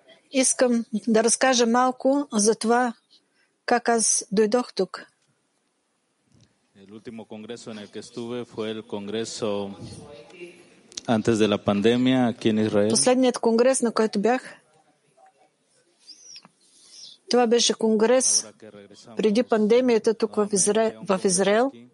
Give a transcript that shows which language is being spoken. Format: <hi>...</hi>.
<bg>Искам да разкажа малко за това как аз дойдох тук.</bg> <es>El último congreso en el que estuve fue el congreso antes de la pandemia aquí en Israel.</es> <bg>Последният конгрес, на който бях, това беше конгрес преди пандемията тук в Израел.</bg>